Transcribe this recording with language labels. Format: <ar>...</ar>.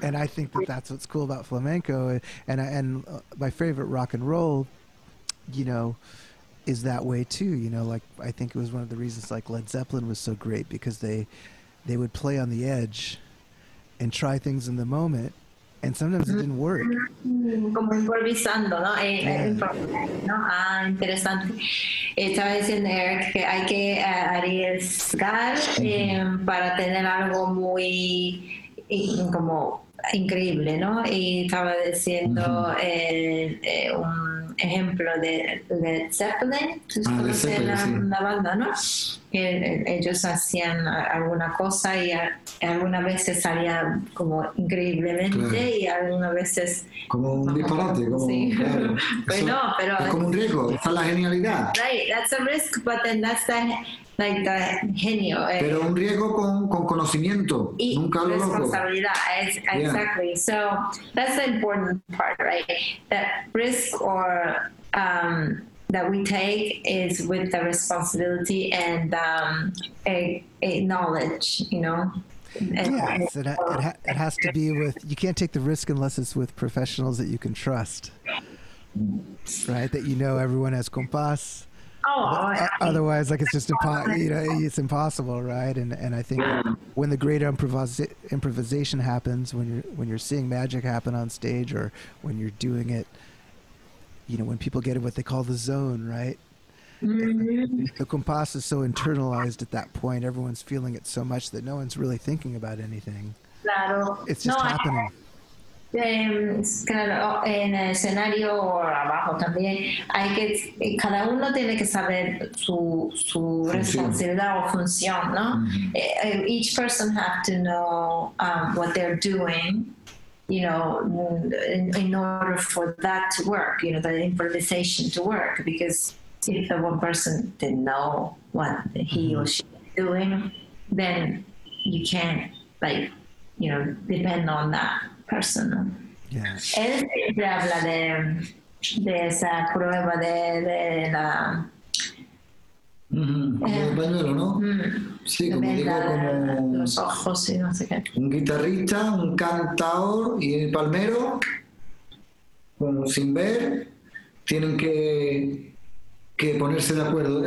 <en>And I think that's what's cool about flamenco, and my favorite rock and roll, you know, is that way too. You know, like I think it was one of the reasons like Led Zeppelin was so great, because they would play on the edge, and try things in the moment, and sometimes it didn't work.</en> <es>Como improvisando, ¿no? Interesante. Estaba diciendo Eric que hay que arriesgar para tener algo muy como increíble, ¿no? Y estaba diciendo un ejemplo de Led Zeppelin, la banda, ¿no? Que ellos hacían alguna cosa y algunas veces salía como increíblemente, claro. Y algunas veces como un disparate, como sí. Claro. Pues no, pero es como un riesgo, esa es la genialidad.</es> <en>Right, that's a risk, but then that's the like the genio.</en> <es>Pero un riesgo con conocimiento. Y nunca lo</es> <en>responsabilidad. Exactly. Yeah. So that's the important part, right? That risk or that we take is with the responsibility and a knowledge, you know? It has to be with, you can't take the risk unless it's with professionals that you can trust. Right? That you know everyone has compás. Otherwise, like, it's just it's impossible, right? And I think when the greater improvisation happens, when you're seeing magic happen on stage, or when you're doing it, you know, when people get in what they call the zone, right? The compass is so internalized at that point, everyone's feeling it so much that no one's really thinking about anything.</en> <es>Claro.</es> <en>It's just happening.</en> <es>Claro, en el escenario o abajo también, hay que, cada uno tiene que saber su responsabilidad o función, ¿no? Mm-hmm.</es> <en>Each person have to know what they're doing, you know, in order for that to work, you know, the improvisation to work, because if the one person didn't know what he or she was doing, then you can't, like, you know, depend on that.</en> <es>Él siempre habla de esa prueba de la como el pañuelo, ¿no? Sí, como digo, como los ojos y no sé qué. Un guitarrista, un cantador y el palmero, como sin ver, tienen que ponerse de acuerdo.</es>